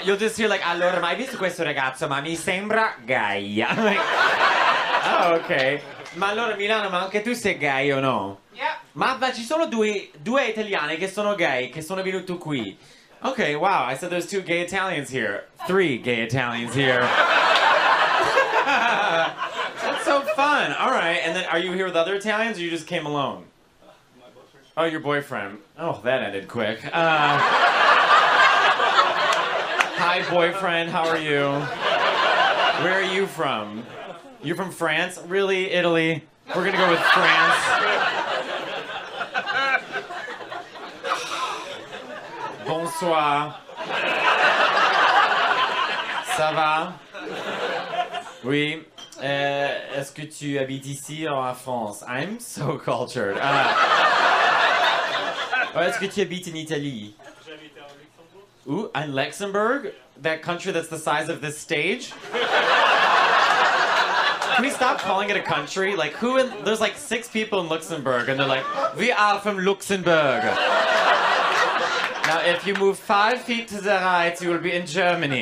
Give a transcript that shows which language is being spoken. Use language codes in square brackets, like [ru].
[en] You'll just hear like, [it] allora, mai visto questo ragazzo, ma mi sembra gay. [en] Like, oh, okay. [it] Ma allora, Milano, ma anche tu sei gay o no? [en] Yeah. [it] Ma ci sono due italiani che sono gay, che sono venuti qui. [en] Okay, wow, I said there's two gay Italians here. Three gay Italians here. That's so fun. All right, and then are you here with other Italians or you just came alone? My boyfriend. Oh, your boyfriend. Oh, that ended quick. Hi, boyfriend, how are you? Where are you from? You're from France? Really, Italy? We're gonna go with France. [fr] Bonsoir. Ça va? Oui. Est-ce que tu habites ici ou en France? [en] I'm so cultured. [fr] Est-ce que tu habites en Italie? J'habite en Luxembourg. [en] Ooh, in Luxembourg? Yeah. That country that's the size of this stage? Can we stop calling it a country? Like, there's like six people in Luxembourg and they're like, we are from Luxembourg. Now, if you move 5 feet to the right, you will be in Germany.